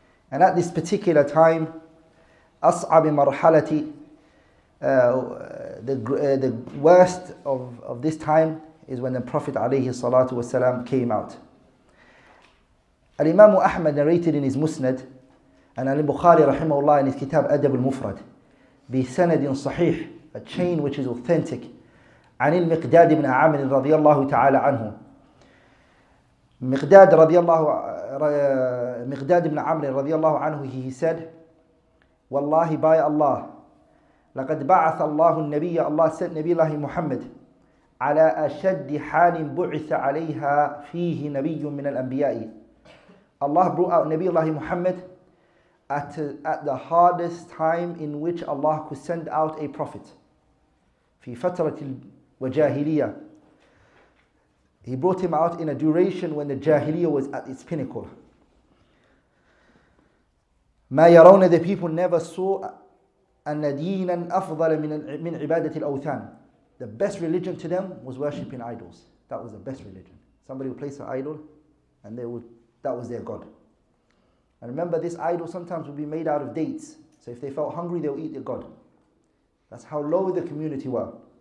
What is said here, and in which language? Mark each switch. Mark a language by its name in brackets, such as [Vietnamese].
[English] And at this particular time, [Arabic] أصعب مرحلتي, [English] the worst of this time is when the Prophet عليه الصلاة والسلام came out. Al-Imam Ahmad narrated in his Musnad, and Al-Bukhari rahimahullah in his Kitab Adab al-Mufrad, [Arabic] بسند صحيح, [English] a chain which is authentic, [Arabic] عن المقداد بن عامر رضي الله تعالى عنه. مقداد رضي الله مقداد بن عامر رضي الله عنه, [English] he said, [Arabic] والله [English] by Allah, [Arabic] لقد بعث الله النبي, [English] Allah sent [Arabic] نبي الله محمد, على أشد حال بعث عليها فيه نبي من الأنبياء. [English] Allah brought out [Arabic] نبي الله محمد [English] at the hardest time in which Allah could send out a prophet. [Arabic] في فترة الجاهلية, [English] He brought him out in a duration when the jahiliya was at its pinnacle. [Arabic] ما يرون, [English] the people never saw [Arabic] أن دينا أفضل من عبادة الأوثان. [English] The best religion to them was worshipping idols. That was the best religion. Somebody would place an idol and they would, that was their god. And remember, this idol sometimes would be made out of dates. So if they felt hungry, they would eat their god. That's how low the community were.